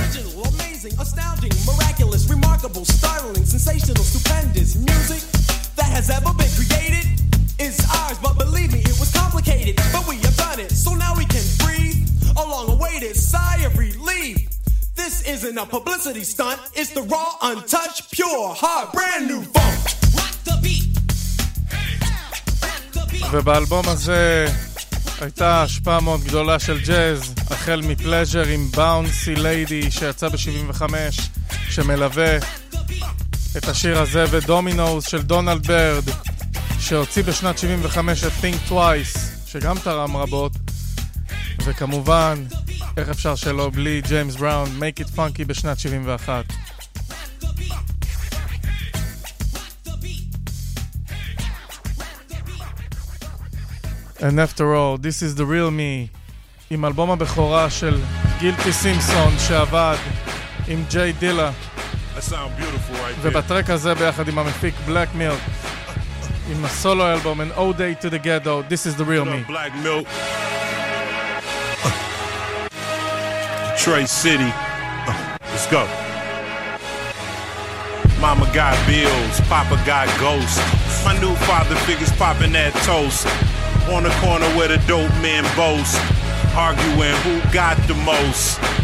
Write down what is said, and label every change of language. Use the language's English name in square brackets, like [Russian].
[English] Original, amazing, astounding, miraculous, remarkable, startling, sensational, stupendous music that has ever been created is ours, but believe me, it was complicated, but we have done it, so now we can breathe a long-awaited sigh of relief. This isn't a publicity stunt, it's the raw, untouched, pure, hard, brand new funk. [Hebrew] ובאלבום הזה הייתה השפעה מאוד גדולה של ג'אז, החל מפלז'ר עם באונסי ליידי שיצא ב-75, שמלווה את השיר הזה, ודומינוס של דונלד ברד שהוציא בשנת 75 את Think Twice, שגם תרם רבות, וכמובן איך אפשר שלא בלי ג'יימס בראון, Make It Funky בשנת 71. [English] And after all, this is the real me, [Hebrew] עם אלבום הבכורה של גילטי סימפסון שעבד עם ג'יי דילה, ובטרק הזה ביחד עם המפיק בלק מילק עם הסולו אלבום An Old Day to the Ghetto, [English] this is the real me. Black Milk, Detroit City, let's go. Mama got bills, papa got ghosts, my new father figures popping that toast on the corner where the dope men boast, arguing who got the most.